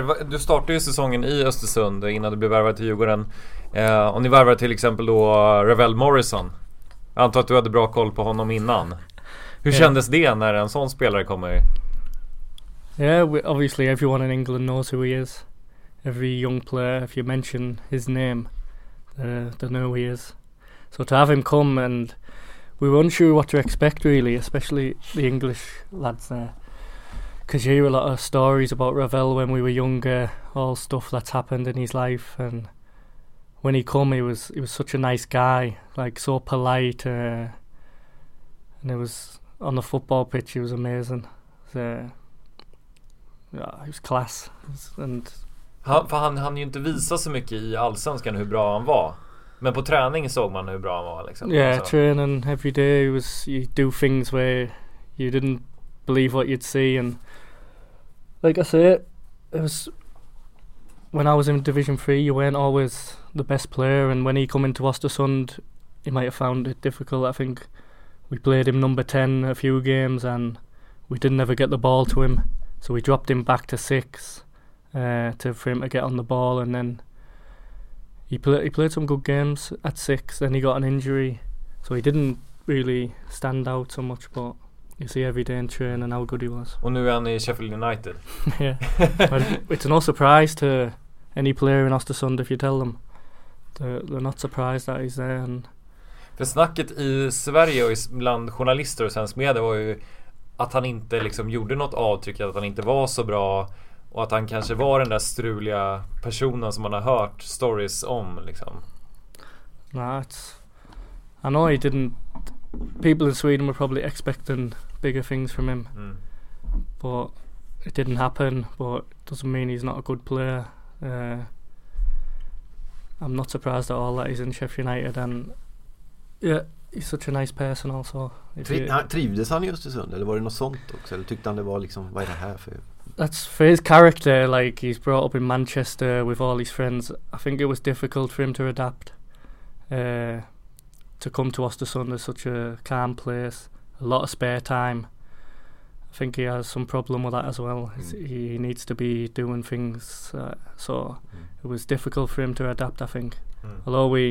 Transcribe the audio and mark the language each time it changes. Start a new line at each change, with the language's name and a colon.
Swedish: Du startade ju säsongen i Östersund innan du blev värvad till Djurgården, och ni värvade till exempel då Ravel Morrison. Jag antar att du hade bra koll på honom innan. Hur kändes det när en sån spelare kommer?
English: Obviously everyone in England knows who he is. Every young player, if you mention his name, they know who he is. So to have him come, and we were unsure what to expect really, especially the English lads there, because you hear a lot of stories about Ravel when we were younger, all stuff that's happened in his life. And when he came, he was such a nice guy, like so polite, and it was on the football pitch, he was amazing. He was class.
Swedish: Han ju inte visa så mycket i Allsvenskan hur bra han var, men på träningen såg man hur bra han var liksom.
English: Yeah, training every day was you do things where you didn't believe what you'd see, and like I say, it was when I was in Division 3, you weren't always the best player, and when he come into Östersund, he might have found it difficult. I think we played him number 10 a few games, and we didn't ever get the ball to him, so we dropped him back to 6 for him to get on the ball, and then he played some good games at 6, then he got an injury, so he didn't really stand out so much, but you see every day in training how good he was.
Swedish: Och nu är han i Sheffield United.
English: Yeah. It's no surprise to any player in Östersund if you tell them. They're not surprised that he's there.
Swedish: För snacket i Sverige och bland journalister och svensk media var ju att han inte liksom gjorde något avtryck, att han inte var så bra, och att han kanske var den där struliga personen som man har hört stories om liksom.
English: Nah, it's, I know he didn't. People in Sweden were probably expecting bigger things from him. Mm. But it didn't happen, but it doesn't mean he's not a good player. I'm not surprised at all that he's in Sheffield United, and yeah, he's such a nice person also.
Swedish: Trivdes han just i Sund, eller var det något sånt också, eller tyckte han det var liksom, vad är det här för?
English: That's for his character, like he's brought up in Manchester with all his friends. I think it was difficult for him to adapt. To come to Östersund is such a calm place, a lot of spare time. I think he has some problem with that as well. He needs to be doing things, so it was difficult for him to adapt, I think. Although